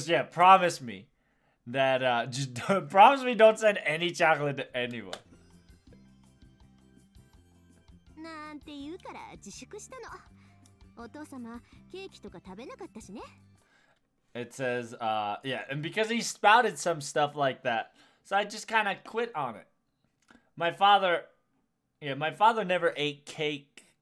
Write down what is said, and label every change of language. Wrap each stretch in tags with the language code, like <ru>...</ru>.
<en>Promise me that, promise me don't send any chocolate to anyone.</en> <ja>なんて言うから自粛したの。お父様、ケーキとか食べなかったしね。</ja> <en>It says, and because he spouted some stuff like that, so I just kind of quit on it. My father never ate cake.</en>